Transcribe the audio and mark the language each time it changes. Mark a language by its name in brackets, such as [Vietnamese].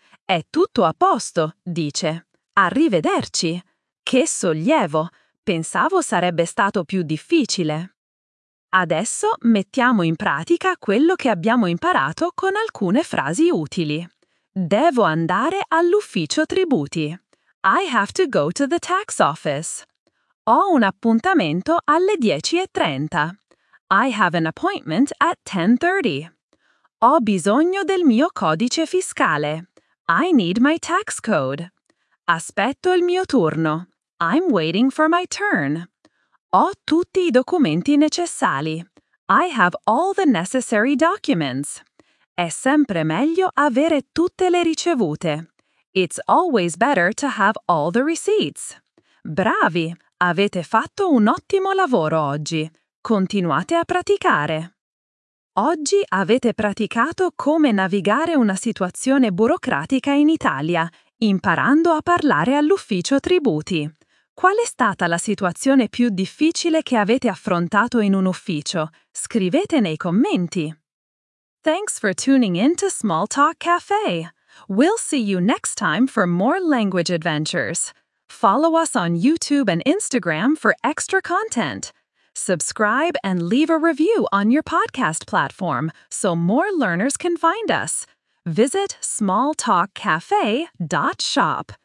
[Italian] «È tutto a posto!» dice. «Arrivederci!» «Che sollievo! Pensavo sarebbe stato più difficile!» Adesso mettiamo in pratica quello che abbiamo imparato con alcune frasi utili. Devo andare all'ufficio tributi. [English] I have to go to the tax office. [Italian] Ho un appuntamento alle 10:30. [English] I have an appointment at 10:30. [Italian] Ho bisogno del mio codice fiscale. [English] I need my tax code. [Italian] Aspetto il mio turno. [English] I'm waiting for my turn. [Italian] Ho tutti i documenti necessari. [English] I have all the necessary documents. [Italian] È sempre meglio avere tutte le ricevute. [English] It's always better to have all the receipts. [Italian] Bravi! Avete fatto un ottimo lavoro oggi. Continuate a praticare. Oggi avete praticato come navigare una situazione burocratica in Italia, imparando a parlare all'ufficio tributi. Qual è stata la situazione più difficile che avete affrontato in un ufficio? Scrivete nei commenti. [English] Thanks for tuning in to Small Talk Cafe. We'll see you next time for more language adventures. Follow us on YouTube and Instagram for extra content. Subscribe and leave a review on your podcast platform so more learners can find us. Visit smalltalkcafe.shop.